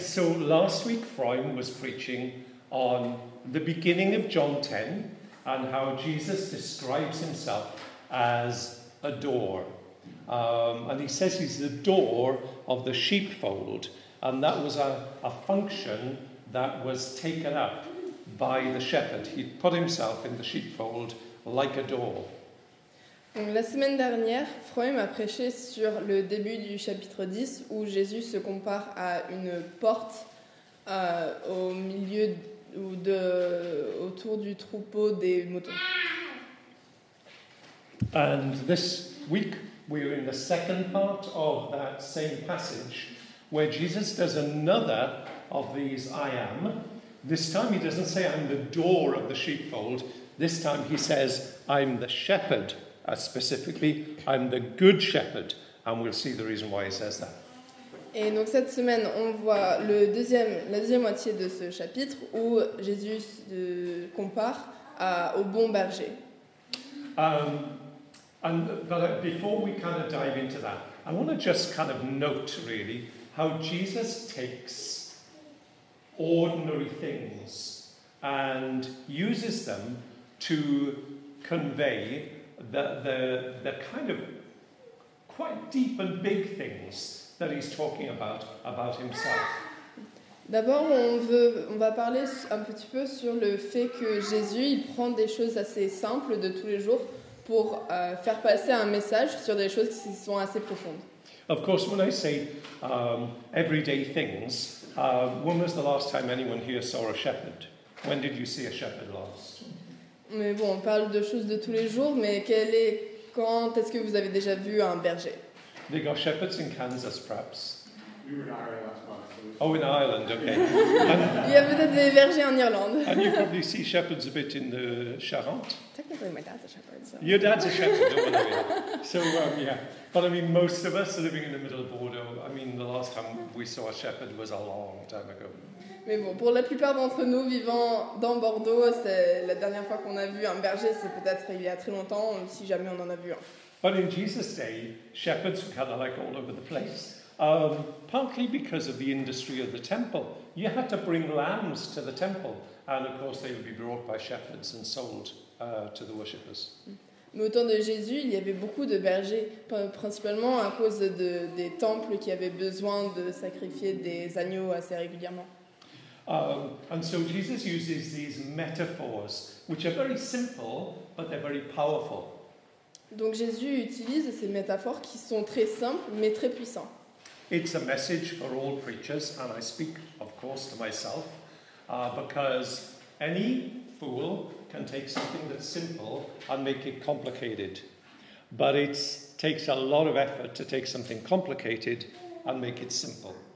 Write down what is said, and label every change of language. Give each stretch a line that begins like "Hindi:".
English: so last week Fraim was preaching on the beginning of John 10 and how Jesus describes himself as a door. And he says he's the door of the sheepfold. And that was a function that was taken up by the shepherd. He put himself in the sheepfold like a door.
French: Donc, la semaine dernière, Freud m'a prêché sur le début du chapitre 10 où Jésus se compare à une porte au milieu ou de, autour du troupeau des moutons.
English: And this week, we're in the second part of that same passage where Jesus does another of these I am. This time he doesn't say I'm the door of the sheepfold. This time he says I'm the shepherd. Specifically, I'm the good shepherd, and we'll see the reason why he says that.
French: Et donc cette semaine, on voit la deuxième moitié de ce chapitre où Jésus se compare au bon berger.
English: But before we kind of dive into that, I want to just kind of note really how Jesus takes ordinary things and uses them to convey the kind of quite deep and big things that he's talking about himself.
French: D'abord, on va parler un petit peu sur le fait que Jésus, il prend des choses assez simples de tous les jours pour faire passer un message sur des choses qui sont assez profondes.
English: Of course, when I say everyday things, when was the last time anyone here saw a shepherd? When did you see a shepherd last?
French: Mais bon, on parle de choses de tous les jours, mais quand est-ce que vous avez déjà vu un berger?
English: They got shepherds in Kansas, perhaps. We were in Ireland last month. Oh, in Ireland, okay.
French: Il y a peut-être des bergers en Irlande.
English: And you probably see shepherds a bit in the Charente. Technically, my dad's a shepherd. So. Your dad's a shepherd, don't worry. So, yeah. But I mean, most of us living in the middle of Bordeaux, I mean, the last time we saw a shepherd was a long time ago.
French: Mais bon, pour la plupart d'entre nous vivant dans Bordeaux, c'est la dernière fois qu'on a vu un berger, c'est peut-être il y a très longtemps, si jamais on en a vu un.
English: But in Jesus' day, shepherds were kind of like all over the place. Partly because of the industry of the temple. You had to bring lambs to the temple, and of course they would be brought by shepherds and sold to the worshippers.
French: Mais au temps de Jésus, il y avait beaucoup de bergers, principalement à cause des temples qui avaient besoin de sacrifier des agneaux assez régulièrement.
English: And so Jesus uses these metaphors, which are very simple, but they're very powerful.
French: Donc Jésus utilise ces métaphores qui sont très simples, mais très puissants.
English: It's a message for all preachers, and I speak, of course, to myself, because any fool can take something that's simple and make it complicated. But it takes a lot of effort to take something complicated and make it simple.